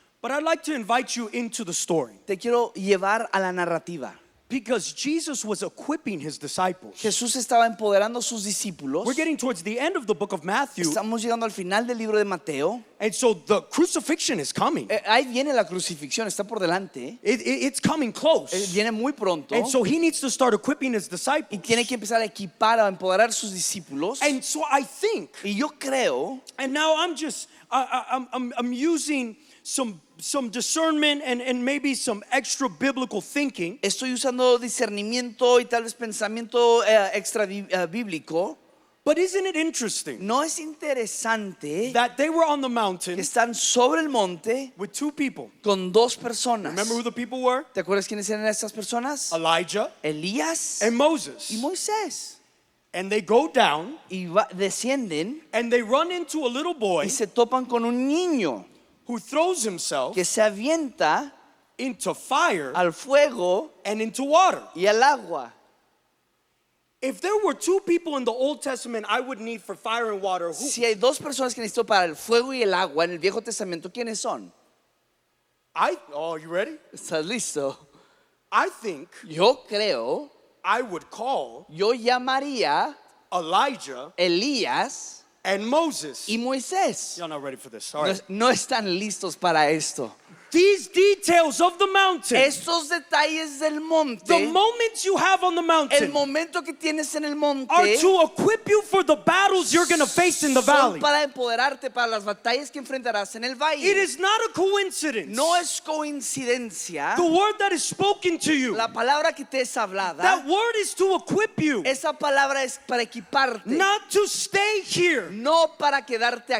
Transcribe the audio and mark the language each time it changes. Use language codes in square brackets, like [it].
[en] But I'd like to invite you into the story. [es] Te quiero llevar a la narrativa. [en] Because Jesus was equipping his disciples. [es] Jesús estaba empoderando a sus discípulos. [en] We're getting towards the end of the book of Matthew. [es] Estamos llegando al final del libro de Mateo. [en] And so the crucifixion is coming. [es] Ahí viene la crucifixión, está por delante. [en] It's coming close. [es] Viene muy pronto. [en] And so he needs to start equipping his disciples. [es] Y tiene que empezar a equipar, a empoderar a sus discípulos. [en] And so I think. [es] Y yo creo. [en] And now I'm just, I'm using some discernment and maybe some extra biblical thinking. [es] Estoy usando discernimiento y tal vez pensamiento extra bíblico. [en] But isn't it interesting? [es] No es interesante [en] that they were on the mountain. [es] Están sobre el monte [en] with two people. [es] Con dos personas. [en] Remember who the people were? [es] ¿Te acuerdas quiénes eran estas personas? [en] Elijah, [es] Elías, [en] and Moses. [es] Y Moisés. [en] And they go down. [es] Y descienden. [en] And they run into a little boy. [es] Y se topan con un niño. [en] Who throws himself [es] que se avienta [en] into fire [es] al fuego [en] and into water. [es] Y al agua. [en] If there were two people in the Old Testament I would need for fire and water, who? [es] Si hay dos personas que necesito para el fuego y el agua en el Viejo Testamento, ¿quiénes son? [en] Are you ready? [es] ¿Estás listo? [en] I think [es] yo creo [en] I would call [es] yo llamaría [en] Elijah [es] Elías [en] and Moses. [es] Y Moisés. [en] You're not ready for this. Sorry. [es] No están listos para esto. [en] These details of the mountain. [es] Estos detalles del monte. [en] The moments you have on the mountain. [es] El momento que tienes en el monte. [en] Are to equip you for the battles you're going to face in the valley. [es] Son para empoderarte para las batallas que enfrentarás en el valle. [en] It is not a coincidence. [es] No es coincidencia. [en] The word that is spoken to you. [es] La palabra que te es hablada. [en] That word is to equip you. [es] Esa palabra es para equiparte. [en] Not to stay here. [es] No para quedarte aquí.